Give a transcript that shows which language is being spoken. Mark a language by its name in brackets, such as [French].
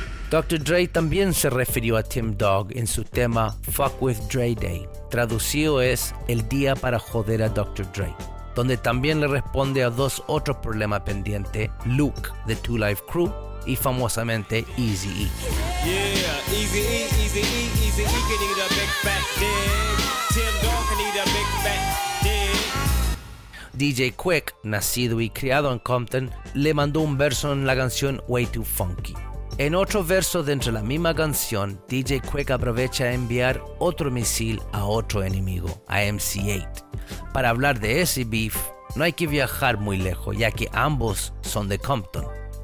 [Spanish] Dr. Dre también se refirió a Tim Dog en su tema Fuck With Dre Day, traducido es El Día Para Joder a Dr. Dre, donde también le responde a dos otros problemas pendientes, Luke de Two Live Crew y famosamente Eazy-E. [English] Yeah, Eazy-E can eat a big fat dick. Tim Dog can eat a big fat dick. [Spanish] DJ Quick, nacido y criado en Compton, le mandó un verso en la canción Way Too Funky. En otro verso dentro de la misma canción, DJ Quick aprovecha a enviar otro misil a otro enemigo, a MC8. Para hablar de ese beef, no hay que viajar muy lejos, ya que ambos son de Compton.